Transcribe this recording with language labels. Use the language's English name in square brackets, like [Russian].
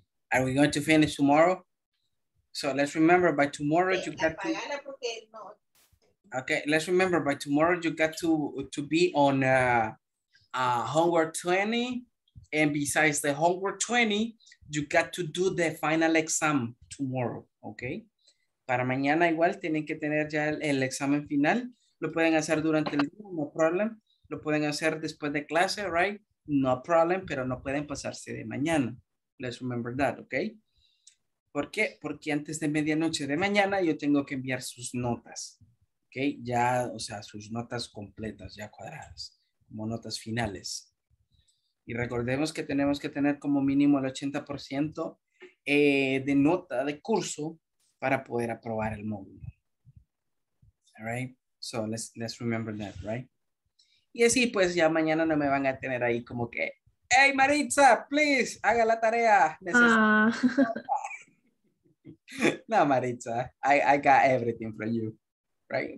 [English] Are we going to finish tomorrow? So let's remember by tomorrow you got to. Okay, let's remember by tomorrow you got to be on homework 20. And besides the homework 20, you got to do the final exam tomorrow. Okay. [Spanish] Para mañana igual tienen que tener ya el examen final. Lo pueden hacer durante el día, [English] no problem. [Spanish] Lo pueden hacer después de clase, right? [English] No problem, [Spanish] pero no pueden pasarse de mañana. [English] Let's remember that, okay? [Spanish] ¿Por qué? Porque antes de medianoche de mañana yo tengo que enviar sus notas, okay? Ya, o sea, sus notas completas, ya cuadradas, como notas finales. Y recordemos que tenemos que tener como mínimo el 80% de nota de curso para poder aprobar el módulo. All right? [English] So let's remember that, right? [Spanish] Y así, pues, ya mañana no me van a tener ahí como que, hey, Maritza, please, haga la tarea. [English] No, Maritza, I got everything from you, right?